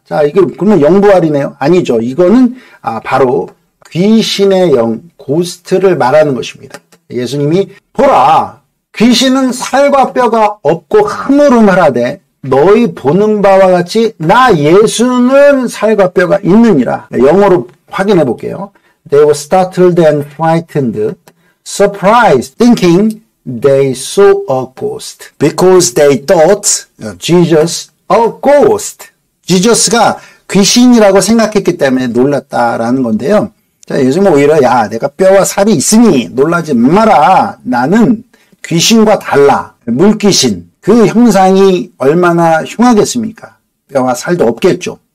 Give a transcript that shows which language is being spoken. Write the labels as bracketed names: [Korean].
[Korean] 자, 이게 그러면 영부활이네요? 아니죠. 이거는 바로 귀신의 영, 고스트를 말하는 것입니다. 예수님이 보라, 귀신은 살과 뼈가 없고 흐물흐물하되 너희 보는 바와 같이 나 예수는 살과 뼈가 있느니라. 영어로 확인해 볼게요. [English] They were startled and frightened, surprised, thinking they saw a ghost. Because they thought Jesus a ghost. [Korean] Jesus가 귀신이라고 생각했기 때문에 놀랐다라는 건데요. 자, 예수님은 오히려 야, 내가 뼈와 살이 있으니 놀라지 마라. 나는 귀신과 달라. 물귀신. 그 형상이 얼마나 흉하겠습니까? 뼈와 살도 없겠죠.